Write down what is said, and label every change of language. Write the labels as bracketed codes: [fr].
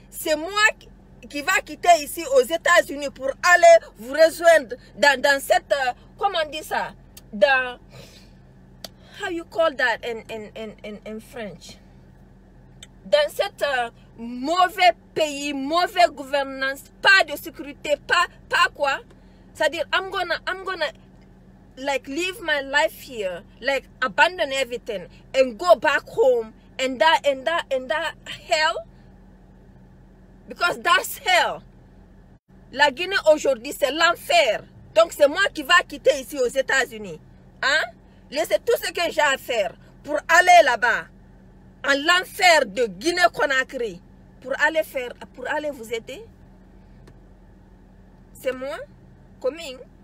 [fr] C'est moi qui va quitter ici aux États-Unis pour aller vous rejoindre dans cette, comment on dit ça? [en] Dans, how you call that in French? [fr] Dans cette mauvais pays, mauvais gouvernance, pas de sécurité, pas quoi. [en] C'est-à-dire, I'm gonna like leave my life here, like abandon everything and go back home and that hell, because that's hell. [fr] La Guinée aujourd'hui c'est l'enfer. Donc c'est moi qui va quitter ici aux États-Unis, hein? Laissez tout ce que j'ai à faire pour aller là-bas. En l'enfer de Guinée-Conakry, pour aller vous aider, c'est moi, coming.